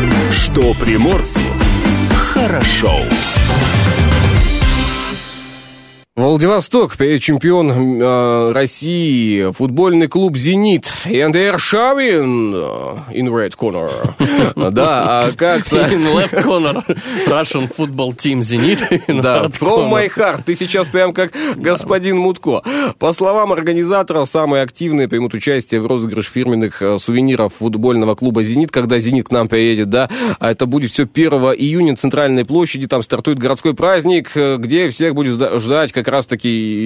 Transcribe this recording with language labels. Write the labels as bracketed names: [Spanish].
[Russian] Что приморцу хорошо. Владивосток, чемпион России, футбольный клуб «Зенит» и Андрей Аршавин [English] in red corner. [Russian] Да, а как... [English] In left corner, Russian football team «Зенит». [Russian] Да, [English] from my heart, [Russian] ты сейчас прям как господин Мутко. По словам организаторов, самые активные примут участие в розыгрыше фирменных сувениров футбольного клуба «Зенит», когда «Зенит» к нам приедет, да. А это будет все 1 июня на Центральной площади, там стартует городской праздник, где всех будет ждать как раз-таки...